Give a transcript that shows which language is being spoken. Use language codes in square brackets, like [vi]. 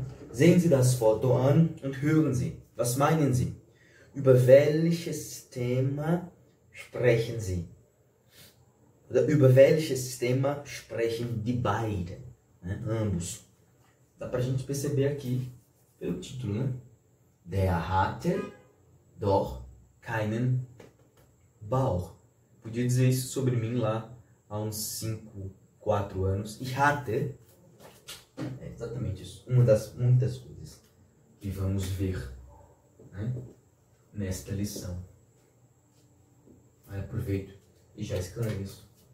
[de] Sehen Sie das Foto an und hören Sie. Was meinen Sie? Über welches Thema sprechen Sie? Oder über welches Thema sprechen die beiden? [pt] Né? Ambos. Dá para a gente perceber aqui pelo título, né? [de] Der hatte doch keinen Bauch. [pt] Podia dizer isso sobre mim lá há uns 5, 4 anos. [de] Ich hatte, [pt] é exatamente isso, uma das muitas coisas que vamos ver, né, nesta lição. Aí aproveito e já esclareço.